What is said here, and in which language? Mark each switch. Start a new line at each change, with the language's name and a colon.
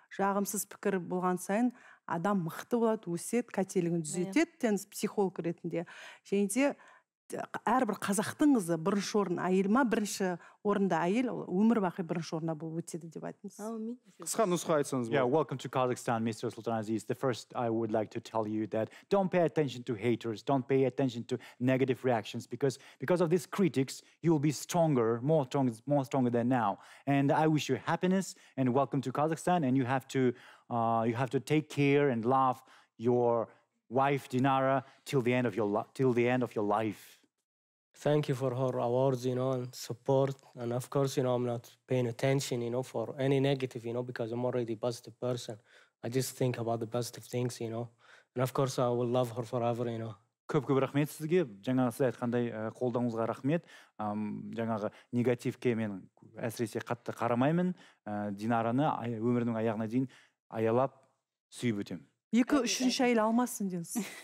Kazakh: Жағымсыз пікір болған сайын адам мықты болады, өсет, қателігін түзетеді деңіз психолог ретінде. Және де әрбір қазақтың қызы бірінші орын әйел ма, бірінші орында әйел, өмір бақи бірінші орында болып өтеді деп айтыңыз. Әумин. Қысқа нұсқа айтсаңыз болады.
English: Yeah, welcome to Kazakhstan, Mr. Sultan Aziz. The first I would like to tell you that don't pay attention to haters, don't pay attention to negative reactions because of these critics you will be stronger, more stronger than now. And I wish you happiness and welcome to Kazakhstan and you have to take care and love your wife Dinara till the end of your life. Thank you for her awards, you know, and support. And of course, you know, I'm not paying attention, you know, for any negative, you know, because I'm already a positive person. I just think about the positive things, you know. And of course, I will love her forever, you know.
Kazakh: Көп-көп рахмет сізге. Жаңағы сіз айтқандай, қолдауыңызға рахмет. Жаңағы негативке мен әсіресе қатты қарамаймын. Динараны өмірінің аяғына дейін аялап сүйіп өтемін. Екі үшінші әйел алмасын деңіз.